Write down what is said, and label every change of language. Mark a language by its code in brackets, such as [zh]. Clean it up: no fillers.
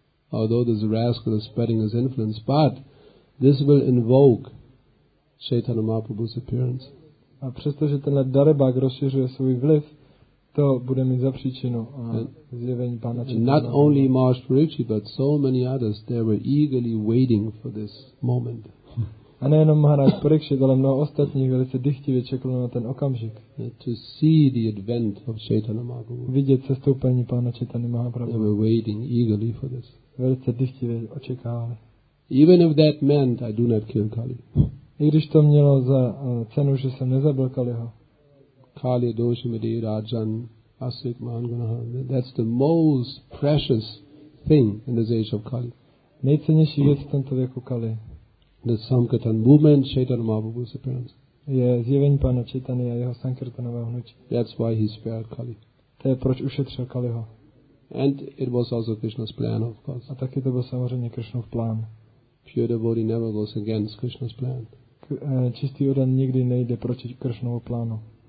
[en] Although this rascal is spreading his influence, but this will invoke Chaitanya Mahaprabhu's appearance. [cs] A přestože tenhle darebák rozšiřuje svůj vliv, to bude mít za příčinu zjevení pána Chaitanya. [en] Not only Maharaj Parikshit, but so many others, they were eagerly waiting for this moment. [cs] A nejenom Maharaj Parikshit, ale mnoho ostatních velice dychtivě čekalo na ten okamžik. [en] To see the advent of Chaitanya Mahaprabhu. [cs] Vidět sestoupení pána Chaitanya Mahaprabhu. [en] They were waiting eagerly for this. [cs] Velice dychtivě očekávali. [en] Even if that meant I do not kill Kali. [cs] I když to mělo za cenu, že jsem nezabil Kaliho. [sa] Kali doši midi rajan asik mahangunaha. [en] That's the most precious thing in this age of Kali. [cs] Nejcennější věc v tomto věku Kali. [en] The Sankirtan movement, Chaitanya Mahaprabhu's appearance. [cs] Je zjevení pana Chaitanya a jeho sankirtanového hnutí. [en] That's why he spared Kali. [cs] To je proč ušetřil Kaliho. [en] And it was also Krishna's plan, of course. [cs] A taky to byl samozřejmě Krishnův plán. [en] Pure devotee never goes against Krishna's plan. [cs] Čistý odan nikdy nejde proti Krishnovu plánu.